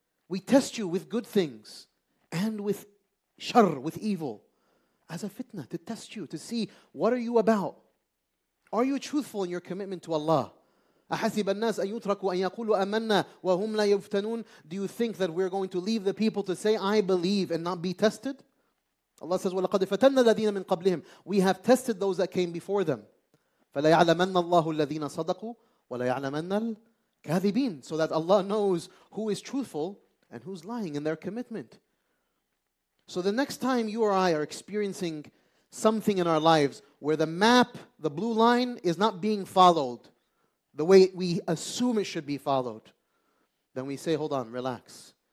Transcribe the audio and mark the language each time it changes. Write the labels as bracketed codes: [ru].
[en] We test you with good things and with شر, with evil. As a fitna, to test you, to see what are you about. Are you truthful in your commitment to Allah? [ar] أَحَسِبَ النَّاسَ أَن يُتْرَكُوا أَن يَقُولُوا أَمَنَّا وَهُمْ لَا يُفْتَنُونَ. [en] Do you think that we're going to leave the people to say, I believe, and not be tested? Allah says, [ar] وَلَقَدْ فَتَنَّا الَّذِينَ مِنْ قَبْلِهِمْ. [en] We have tested those that came before them. [ar] فَلَيَعْلَمَنَّ اللَّهُ الَّذِينَ صَدَقُوا وَلَيَعْلَمَنَّ الْكَاذِبِينَ. [en] So that Allah knows who is truthful and who's lying in their commitment. So the next time you or I are experiencing something in our lives where the map, the blue line, is not being followed the way we assume it should be followed, then we say, hold on, relax.